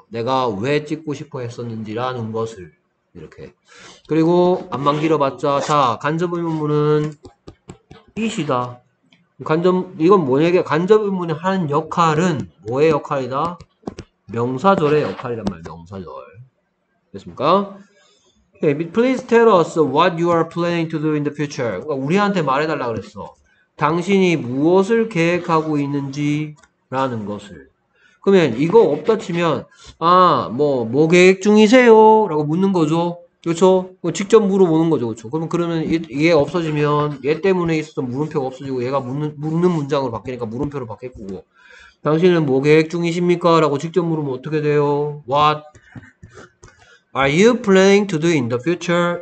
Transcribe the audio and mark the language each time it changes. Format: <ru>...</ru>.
<ko>내가 왜 찍고 싶어 했었는지라는 것을. 이렇게. 그리고 안만 길어봤자 자 간접의문문은 이시다. 이건 뭐냐면 간접의문의 하는 역할은 뭐의 역할이다? 명사절의 역할이란 말이야. 명사절. 됐습니까?</ko> <en>Okay, please tell us what you are planning to do in the future.</en> <ko>그러니까 우리한테 말해달라 그랬어. 당신이 무엇을 계획하고 있는지라는 것을. 그러면 이거 없다 치면 아뭐뭐 계획 중이세요? 라고 묻는 거죠. 그렇죠? 직접 물어보는 거죠. 그렇죠? 그러면 얘 없어지면 얘 때문에 있었던 물음표가 없어지고 얘가 묻는 문장으로 바뀌니까 물음표로 바뀔 거고. 당신은 뭐 계획 중이십니까? 라고 직접 물으면 어떻게 돼요?</ko> <en>What are you planning to do in the future?</en>